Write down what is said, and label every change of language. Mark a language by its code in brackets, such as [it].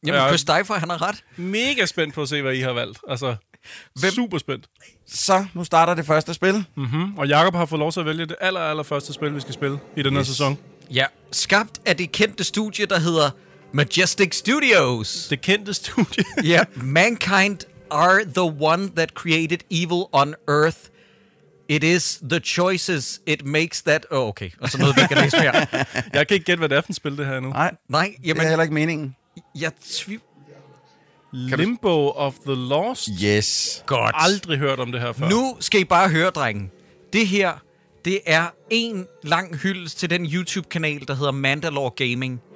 [da] Jamen, Christoffer, han har ret. Mega spændt på at se, hvad I har valgt. Altså, super spændt. Så, nu starter det første spil. Mm-hmm. Og Jacob har fået lov til at vælge det aller første spil, vi skal spille i den her sæson. Ja, skabt af det kendte studie, der hedder Majestic Studios. Det kendte studie? [en] Ja, Mankind are the one that created evil on Earth. It is the choices it makes that... Oh, okay. [da] Og så noget, vi kan læse her. Jeg kan ikke gætte, hvad det er for en spil, det her nu. Nej, jamen, det er heller ikke meningen. Limbo of the Lost? [en] Yes. [da] Godt. Aldrig hørt om det her før. Nu skal I bare høre, drengen. Det her, det er en lang hyldest til den YouTube-kanal, der hedder Mandalore Gaming.